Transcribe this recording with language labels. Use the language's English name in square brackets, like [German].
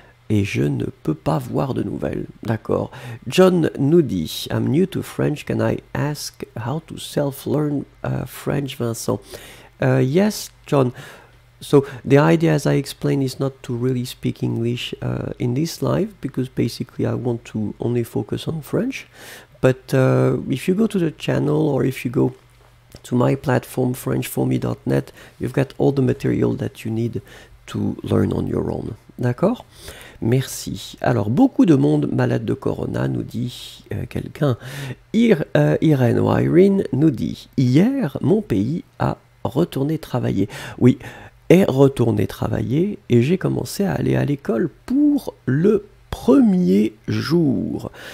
[French] Et je ne peux pas voir de nouvelles. D'accord. John nous dit, [English] I'm new to French, can I ask how to self-learn French, Vincent? Yes, John. So, the idea, as I explained, is not to really speak English in this live, because basically I want to only focus on French. But if you go to the channel, or if you go to my platform, frenchforme.net, you've got all the material that you need to learn on your own. [French] D'accord? Merci. Alors, beaucoup de monde malade de corona, nous dit quelqu'un. Irène ou Irene nous dit, hier, mon pays a retourné travailler. Oui, est retourné travailler et j'ai commencé à aller à l'école pour le premier jour.